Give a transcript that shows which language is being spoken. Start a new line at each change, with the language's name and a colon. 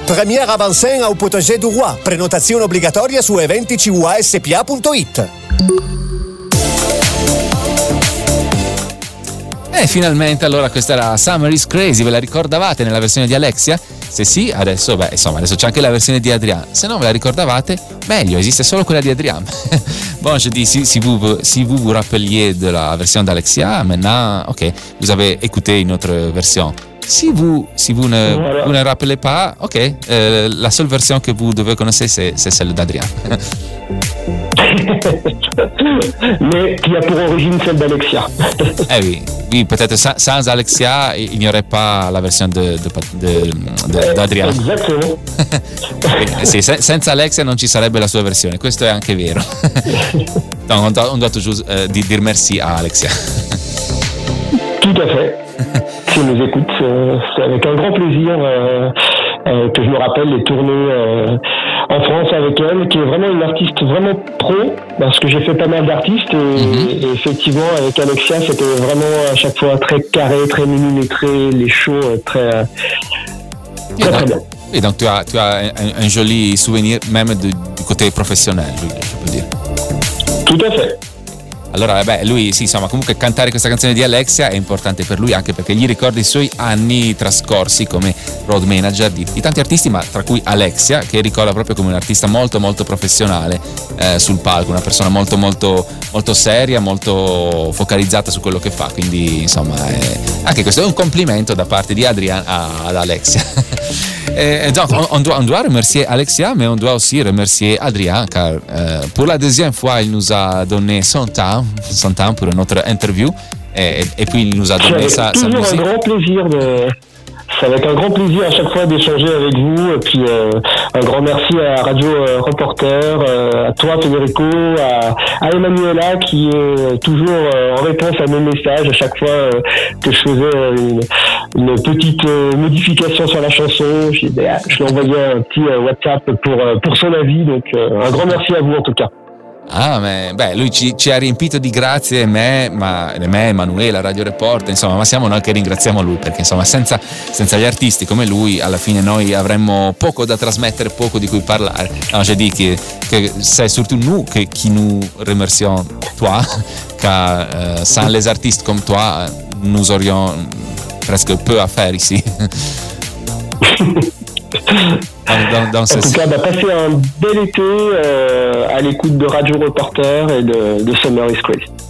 French: Première avant-scène au Potager du Roi.
Italian: Prenotazione obbligatoria su eventicuaspa.it. E finalmente allora questa era Summer is Crazy, ve la ricordavate nella versione di Alexia? Se sì, adesso beh, insomma, adesso c'è anche la versione di Adrian. Se non ve la ricordavate, meglio, esiste solo quella di Adrian.
French: Bon, je dis si vous vous rappeliez de la version d'Alexia, maintenant, ok, vous avez écouté une autre version. Si vous ne rappelez pas, ok, la seule version que vous devez connaître, c'est celle d'Adrian. Mais qui a pour origine celle d'Alexia. Eh oui, oui, peut-être sans Alexia, il n'y aurait pas la version d'Adrian. Exactement.
Italian: Sì, senza Alexia non ci sarebbe la sua versione, questo è anche vero.
French: Donc, on doit toujours dire merci à Alexia. Tout à fait. Si on nous écoute, c'est avec un grand plaisir que je me rappelle les tournées en France avec elle, qui est vraiment une artiste vraiment pro, parce que j'ai fait pas mal d'artistes, et, et effectivement, avec Alexia, c'était vraiment à chaque fois très carré, très millimétré, les shows très bien. Et donc, tu as un joli souvenir, même du côté professionnel, je peux dire. Tout à fait.
Italian: Allora, beh, lui sì, insomma, comunque cantare questa canzone di Alexia è importante per lui anche perché gli ricorda i suoi anni trascorsi come road manager di tanti artisti, ma tra cui Alexia, che ricorda proprio come un artista molto molto professionale sul palco, una persona molto molto molto seria, molto focalizzata su quello che fa. Quindi, insomma, anche questo è un complimento da parte di Adrian ad Alexia.
French: Donc, on doit remercier Alexia, mais on doit aussi remercier Adrien, car pour la deuxième fois, il nous a donné son temps pour notre interview, et puis il nous a donné sa musique. C'est toujours un grand plaisir de... C'est avec un grand plaisir à chaque fois d'échanger avec vous, et puis un grand merci à Radio Reporter, à toi Federico, à Emanuela qui est toujours en réponse à mes messages à chaque fois que je faisais une petite modification sur la chanson. Je lui envoyais un petit WhatsApp pour son avis, donc un grand merci à vous en tout cas.
Italian: Ah, beh, lui ci ha riempito di grazie, me, Emanuela, Radio Report, insomma, ma siamo noi che ringraziamo lui, perché insomma senza gli artisti come lui, alla fine noi avremmo poco da trasmettere, poco di cui parlare.
French: No, je dis que c'est surtout nous que qui nous remercions toi, car sans les artistes comme toi, nous aurions presque peu à faire ici. En tout cas, passez un bel été à l'écoute de Radio Reporter et de Summer is Crazy.